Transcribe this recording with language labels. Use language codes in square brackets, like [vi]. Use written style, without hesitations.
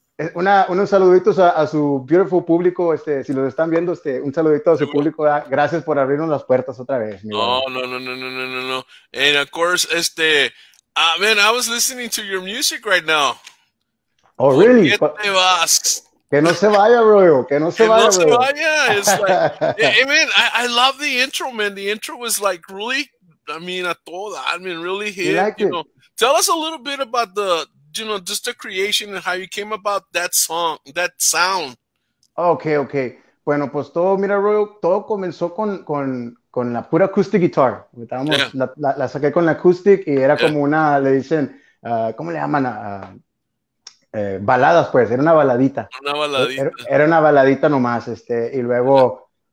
[es] Unos saluditos a su beautiful público, si los están viendo, un saludito a su público, gracias por abrirnos las puertas otra vez. No. [en] And of course, man, I was listening to your music right now. Oh, really? [es] Que no se vaya, bro. Que no se vaya, bro. [en] It's like, hey, man, I love the intro, man. The intro was like really, really hit. Tell us a little bit about just the creation and how you came about that song, that sound. Okay. [es] Bueno, pues todo, mira, Royo, todo comenzó con la pura [en] acoustic guitar. [es] La saqué con la acoustic y era como una, le dicen, ¿cómo le llaman? Baladas, pues, era una baladita. Una baladita. Era una baladita nomás, y luego